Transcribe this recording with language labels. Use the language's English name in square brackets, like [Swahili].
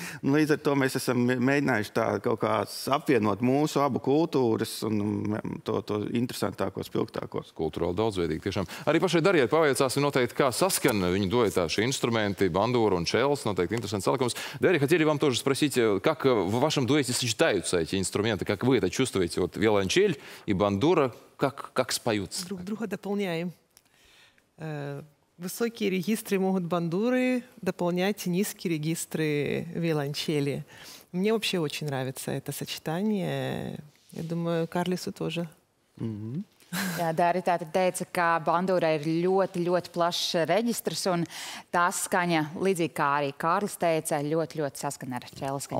[Latvian] Un līdz ar to mēs esam mēģinājuši tā kaut kā apvienot mūsu abu kultūras un to interesantāko, spilgtāko. Kulturāli daudzveidīgi tiešām. Arī pašai Darijai pavajadzās noteikti, kā saskan viņu duetā šie instrumenti, bandūra un čels, noteikti interesants salikums. [Russian] Darija, хотели вам тоже спросить, как в вашем дуэте сочетаются эти инструменты, как вы это чувствуете, вот виолончель и бандура, как споются? Друг друга дополняем. Высокие регистры могут бандуры дополнять низкие регистры виолончели. Мне вообще очень нравится это сочетание. Я думаю, Карлису тоже. [Latvian] Jā, Dari tātad teica, ka bandūra ir ļoti, ļoti plašs reģistrs, un tā skaņa, līdzīgi kā arī Kārlis teica, ļoti, ļoti saskana ar čela skaņu.